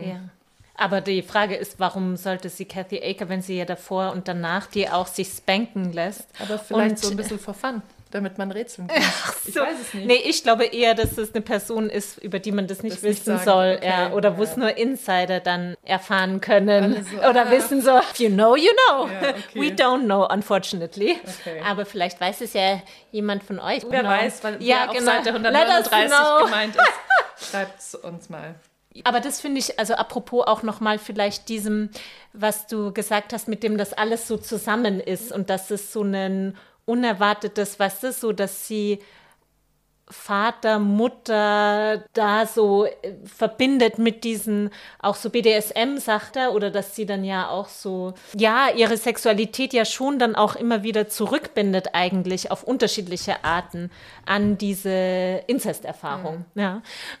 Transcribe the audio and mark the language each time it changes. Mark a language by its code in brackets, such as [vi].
[de] Ja. Aber die Frage ist, warum sollte sie Kathy Acker, wenn sie ja davor und danach die auch sich spanken lässt? Aber vielleicht und, so ein bisschen for fun, damit man rätseln kann. Ach so. Ich weiß es nicht. Nee, ich glaube eher, dass es eine Person ist, über die man das nicht das wissen nicht soll. Okay. Ja, oder ja. Wo es nur Insider dann erfahren können. Also, oder wissen so, [en] you know, ja, okay. We don't know, unfortunately. [de] Okay. Aber vielleicht weiß es ja jemand von euch. Wer genau. Weiß, weil ja, auf genau. Seite 139 gemeint ist. Schreibt es uns mal. Aber das finde ich, also apropos auch nochmal vielleicht diesem, was du gesagt hast, mit dem das alles so zusammen ist und dass es so ein unerwartetes, weißt du, so, dass sie Vater, Mutter da so verbindet mit diesen auch so BDSM, sagt er, oder dass sie dann ja auch so, ja, ihre Sexualität ja schon dann auch immer wieder zurückbindet eigentlich auf unterschiedliche Arten an diese Inzesterfahrung, mhm. Ja.